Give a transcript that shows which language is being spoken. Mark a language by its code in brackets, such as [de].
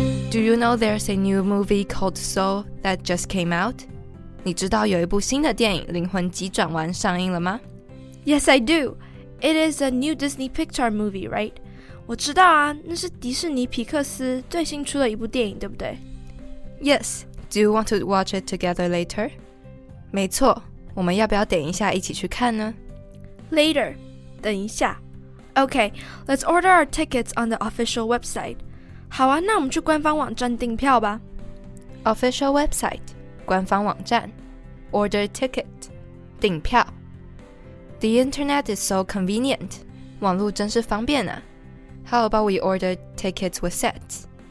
[en] Do you know there's a new movie called Soul that just came out？ [zh] 你知道有一部新的电影《灵魂急转弯》上映了吗 [en] ？Yes, I do. It is a new Disney Pixar movie, right？ [zh] 我知道啊，那是迪士尼皮克斯最新出的一部电影，对不对 [en] ？Yes. Do you want to watch it together later？ [zh] 没错，我们要不要等一下一起去看呢 [en] ？Later. 等一下 OK, let's order our tickets on the official website 好啊，那我们去官方网站订票吧 Official website 官方网站 Order ticket 订票 The internet is so convenient 网络真是方便啊 How about we order tickets with sets?